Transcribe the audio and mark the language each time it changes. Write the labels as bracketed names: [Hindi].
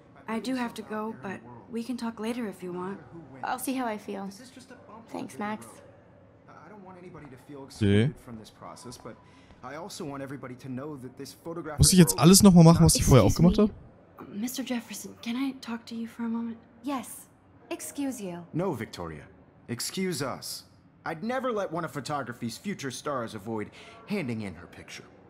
[English] I do have to go, but we can talk later if you want. I'll see how I feel. Thanks, Max. I don't want anybody to feel excluded from this process, but I also want everybody to know that this photograph. [German] Muss ich jetzt alles nochmal machen, was ich vorher auch gemacht habe? [English] Mr. Jefferson, can I talk to you for a moment? Yes. Excuse you. No, Victoria. Excuse us. I'd never let one of photography's future stars avoid handing in her picture.